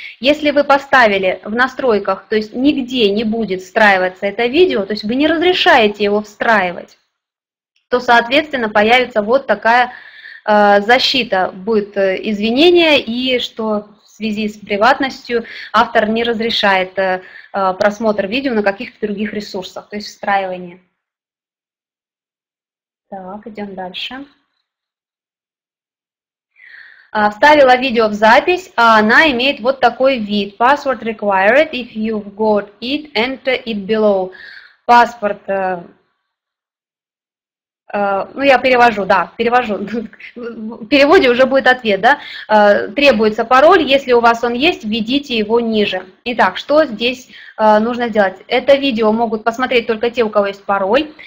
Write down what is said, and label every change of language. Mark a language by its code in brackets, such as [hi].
[ru] Если вы поставили в настройках, то есть нигде не будет встраиваться это видео, то есть вы не разрешаете его встраивать, то, соответственно, появится вот такая защита, будет извинение, и что в связи с приватностью автор не разрешает просмотр видео на каких-то других ресурсах, то есть встраивание. Так, идем дальше. Вставила видео в запись, а она имеет вот такой вид. [en] Password required, if you've got it, enter it below. [ru] Паспорт, ну я перевожу, да, перевожу. В переводе уже будет ответ, да. Требуется пароль, если у вас он есть, введите его ниже. Итак, что здесь нужно сделать. Это видео могут посмотреть только те, у кого есть пароль.